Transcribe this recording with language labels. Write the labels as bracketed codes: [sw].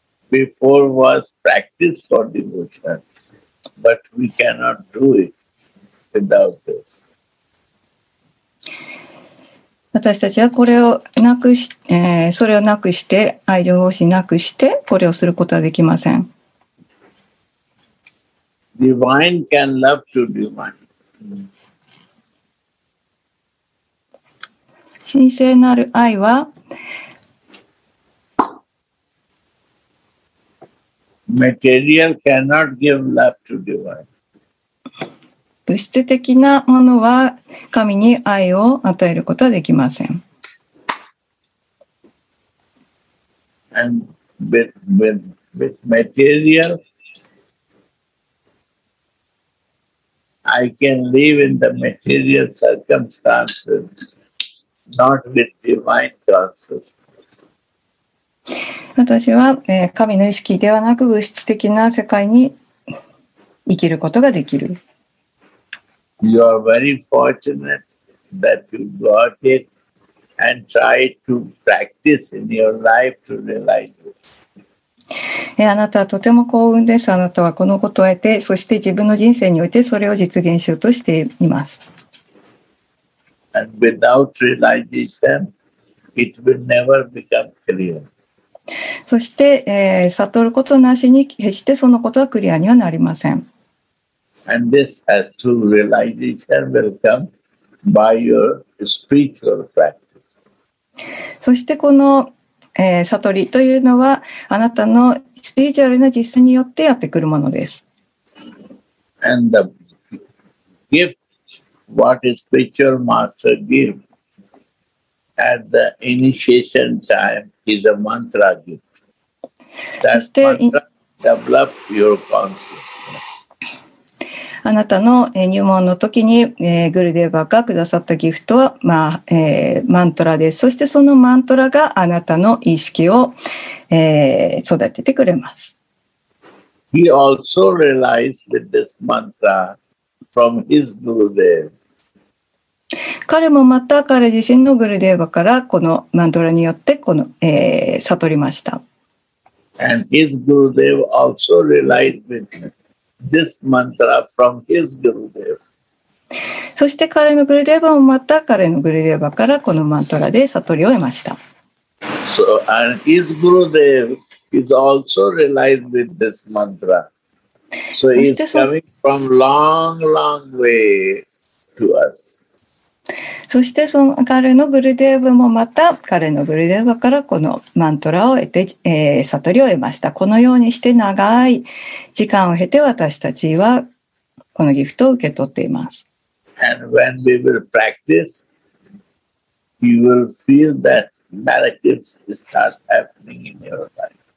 [en] Before was practice for devotion, but we cannot do it without this. [ja] 私たちはこれをなくし、それをなくして愛情奉仕なくしてこれをすることはできません。 [en] Divine can love to divine. [ja] 神聖なる愛は。 [en] Material cannot give love to divine. [ja] 物質的なものは神に愛を与えることはできません。 [en] And with material, I can live in the material circumstances, not with divine consciousness. [ja] 私は、神の意識ではなく物質的な世界に生きることができる。 [en] You are very fortunate that you got it and tried to practice in your life to realize it. [ja] あなたはとても幸運です。あなたはこのことを得て、そして自分の人生においてそれを実現しようとしています。 [en] And without realization, it will never become clear. [ja] そして、悟ることなしに決してそのことはクリアにはなりません。 [en] And this has to realization will come by your spiritual practice. [ja] そしてこの、悟りというのはあなたのスピリチュアルな実践によってやってくるものです。 [en] And the gift what a spiritual master gives at the initiation time. Is a mantra gift. That mantra develop your consciousness. [ja] あなたの入門の時に、グルデーバーがくださったギフトは、まあマントラです。そしてそのマントラがあなたの意識を、育ててくれます。 [en] He also realized with this mantra from his Gurudev. [ja] 彼もまた彼自身のグルデーバからこのマントラによってこの、悟りました。 [en] And his Gurudev also realized with this mantra from his Gurudev. [ja] そして彼のグルデーバもまた彼のグルデーバからこのマントラで悟りを得ました。 [en] So, and his Gurudev is also realized with this mantra. So it's coming from long, long way to us. [ja] そしてその彼のグルデーブもまた彼のグルデーブからこのマントラを得て、悟りを得ました。このようにして長い時間を経て私たちはこのギフトを受け取っています。 [en] And when we will practice, you will feel that miracles start happening in your life.